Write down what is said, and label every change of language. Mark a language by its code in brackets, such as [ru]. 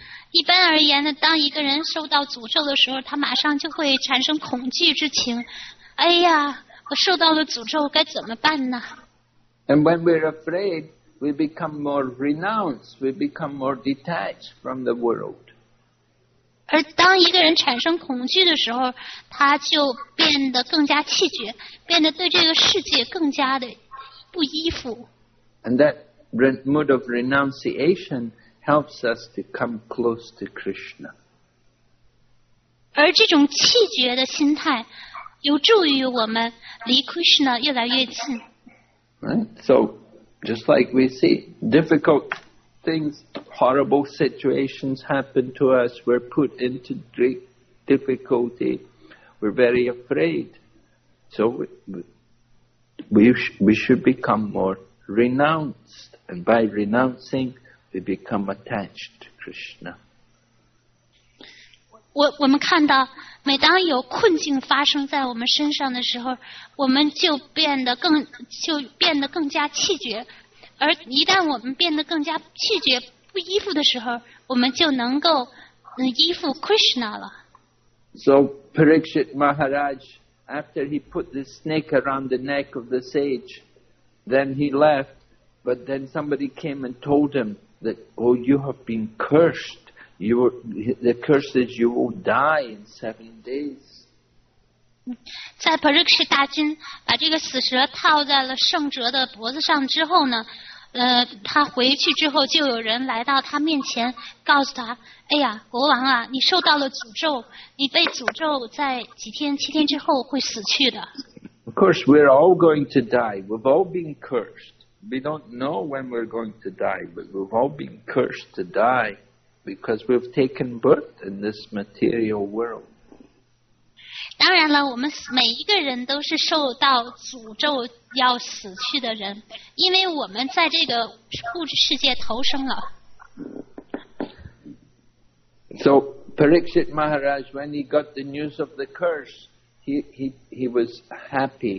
[zh] 一般而言呢，当一个人受到诅咒的时候，他马上就会产生恐惧之情。哎呀，我受到了诅咒，该怎么办呢？ [en] And when we're afraid,we become more renounced, we become more detached from the world. [zh] 而当一个人产生恐惧的时候，他就变得更加气绝，变得对这个世界更加的不依附。 [en] And that mood of renunciation helps us to come close to Krishna. [zh] 而这种气绝的心态，有助于我们离 Krishna 越来越近。 [en] Right, so... Just like we see, difficult things, horrible situations happen to us. We're put into great difficulty. We're very afraid. So we should become more renounced. And by renouncing, we become attached to Krishna. [zh] 我们看到每当有困境发生在我们身上的时候，我们就变得更加气绝。而一旦我们变得更加气绝不依附的时候，我们就能够依附 Krishna 了。 [en] So Parikshit Maharaj, after he put the snake around the neck of the sage, then he left. But then somebody came and told him that, oh, you have been cursed. The curse is you will die in 7 days. [zh] 在 Parikshit 大君把这个死蛇套在了圣哲的脖子上之后呢，他回去之后就有人来到他面前告诉他，哎呀，国王啊，你受到了诅咒，你被诅咒在几天七天之后会死去的。 [en] Of course we're all going to die. We've all been cursed. We don't know when we're going to die, but we've all been cursed to die because we've taken birth in this material world. [zh] 当然了，我们每一个人都是受到诅咒要死去的人，因为我们在这个物质世界投生了。 [en] So Parikshit Maharaj, when he got the news of the curse, he was happy.